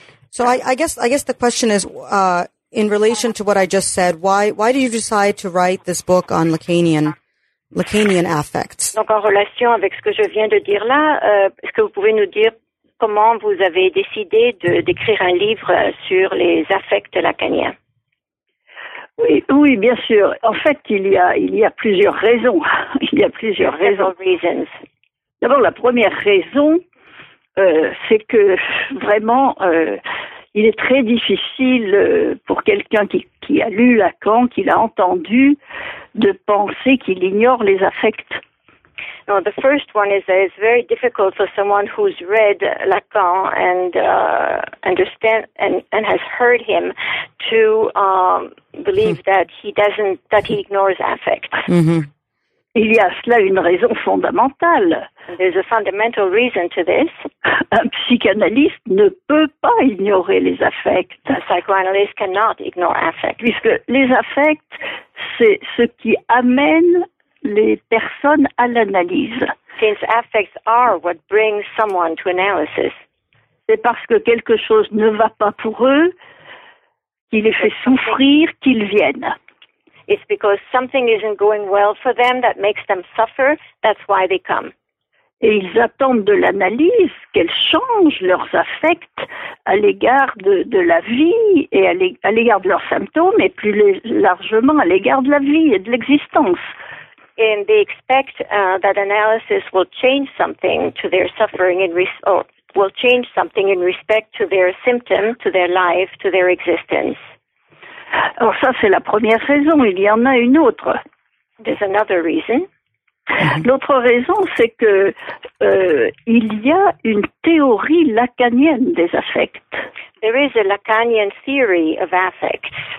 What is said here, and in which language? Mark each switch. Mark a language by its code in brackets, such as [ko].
[en] So I guess the question is, in relation to what I just said, why did you decide to write this book on Lacanian affects? [fr] Donc en relation avec ce que je viens de dire là, est-ce que vous pouvez nous dire comment vous avez décidé d'écrire un livre sur les affects lacaniens? Oui, bien sûr. En fait, il y a plusieurs raisons. Il y a plusieurs raisons. [en] Reasons. [fr] D'abord, la première raison, c'est que vraiment, il est très difficile pour quelqu'un qui a lu Lacan, qui l'a entendu, de penser qu'il ignore les affects. [en] No, the first one is that it's very difficult for someone who's read Lacan and understand and has heard him to believe that he ignores affect. Mm-hmm. [fr] Il y a cela une raison fondamentale. [en] There's a fundamental reason to this. [fr] Un psychanalyste ne peut pas ignorer les affects. [en] A psychoanalyst cannot ignore affect. [fr] Puisque les affects, c'est ce qui amène les personnes à l'analyse. [en] Since affects are what brings someone to analysis. [fr] C'est parce que quelque chose ne va pas pour eux qu'il les fait souffrir qu'ils viennent. [en] It's because something isn't going well for them that makes them suffer, that's why they come. [fr] Et ils attendent de l'analyse qu'elle change leurs affects à l'égard de la vie et à l'égard de leurs symptômes et plus largement à l'égard de la vie et de l'existence. [en] And they expect that analysis will change something to their suffering will change something in respect to their symptoms, to their life, to their existence. [fr] Alors ça, c'est la première raison. Il y en a une autre. [en] There's another reason. [fr] L'autre raison, c'est que il y a une théorie lacanienne des affects. [en] There is a Lacanian theory of affects.